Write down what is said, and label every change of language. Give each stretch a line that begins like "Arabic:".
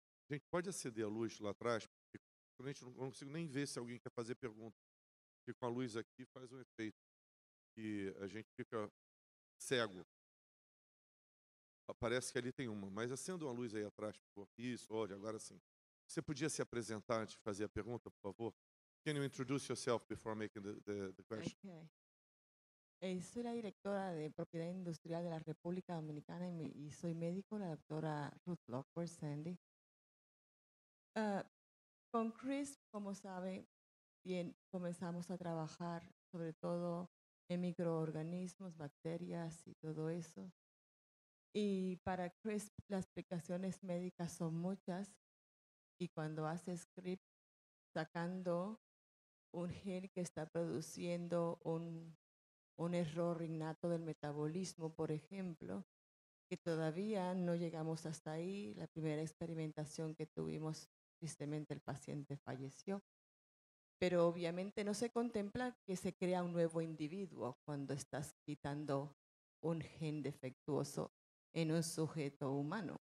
Portuguese: A gente pode acender a luz lá atrás? Eu não consigo nem ver se alguém quer fazer pergunta, porque com a luz aqui faz um efeito que a gente fica cego. Parece que ali tem uma, mas acenda uma luz aí atrás, por favor. Isso, olha, agora sim. Você podia se apresentar antes de fazer a pergunta, por favor?
English: Can you introduce yourself before making the question? Okay.
Portuguese: Sou a diretora de propriedade industrial da República Dominicana e sou médico, a doutora Ruth Lockwood Sandy.
Spanish: Con CRISP, como saben, bien, comenzamos a trabajar sobre todo en microorganismos, bacterias y todo eso. Y para CRISP las aplicaciones médicas son muchas. Y cuando haces CRISP, sacando un gen que está produciendo un error innato del metabolismo, por ejemplo, que todavía no llegamos hasta ahí, la primera experimentación que tuvimos tristemente el paciente falleció, pero obviamente no se contempla que se crea un nuevo individuo cuando estás quitando un gen defectuoso en un sujeto humano.